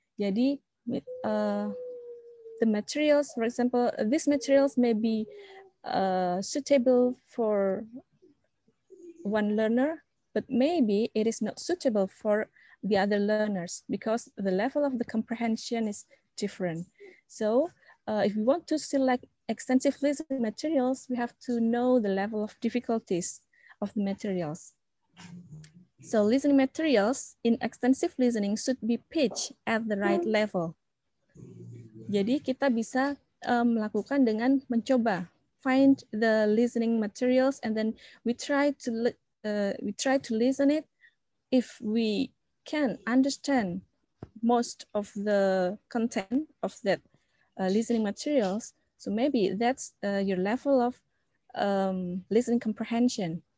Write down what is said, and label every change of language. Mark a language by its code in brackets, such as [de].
[id] Jadi, [en] the materials, for example, these materials may be suitable for one learner, but maybe it is not suitable for the other learners because the level of the comprehension is different. So if we want to select extensive listening materials, we have to know the level of difficulties of the materials. So listening materials in extensive listening should be pitched at the right level. [id] Jadi kita bisa melakukan dengan mencoba. [en] Find the listening materials and then we try to listen it. If we can understand most of the content of that listening materials, so maybe that's your level of listening comprehension.